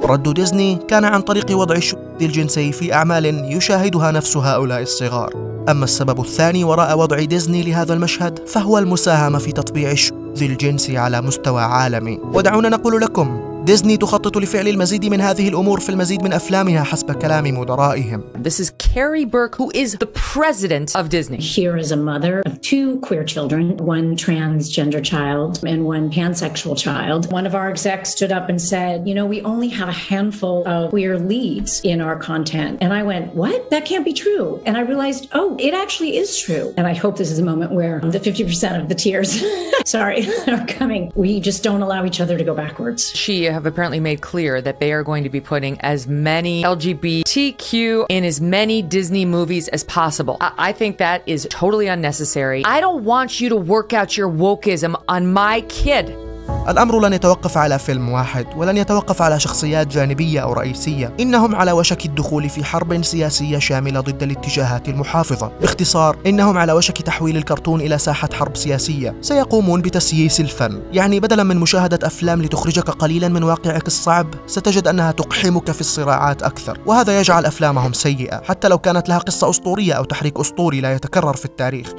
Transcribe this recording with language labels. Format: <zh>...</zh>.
<ar>رد ديزني كان عن طريق وضع الشذوذ الجنسي في أعمال يشاهدها نفس هؤلاء الصغار. أما السبب الثاني وراء وضع ديزني لهذا المشهد فهو المساهمة في تطبيع الشذوذ الجنسي على مستوى عالمي. ودعونا نقول لكم، ديزني تخطط لفعل المزيد من هذه الأمور في المزيد من أفلامها حسب كلام مدرائهم.</ar> <en>This is Carrie Burke, who is the president of Disney. Here is a mother of 2 queer children, 1 transgender child and 1 pansexual child. One of our execs stood up and said, you know, we only have a handful of queer leads in our content. And I went, what? That can't be true. And I realized, oh, it actually is true. And I hope this is a moment where the 50% of the tears, sorry, are coming. We just don't allow each other to go backwards. She have apparently made clear that they are going to be putting as many LGBTQ in as many Disney movies as possible. I think that is totally unnecessary. I don't want you to work out your wokeism on my kid.</en> <ar>الأمر لن يتوقف على فيلم واحد ولن يتوقف على شخصيات جانبية أو رئيسية، إنهم على وشك الدخول في حرب سياسية شاملة ضد الاتجاهات المحافظة. باختصار، إنهم على وشك تحويل الكرتون إلى ساحة حرب سياسية، سيقومون بتسييس الفن، يعني بدلا من مشاهدة أفلام لتخرجك قليلا من واقعك الصعب ستجد أنها تقحمك في الصراعات أكثر، وهذا يجعل أفلامهم سيئة حتى لو كانت لها قصة أسطورية أو تحريك أسطوري لا يتكرر في التاريخ.</ar>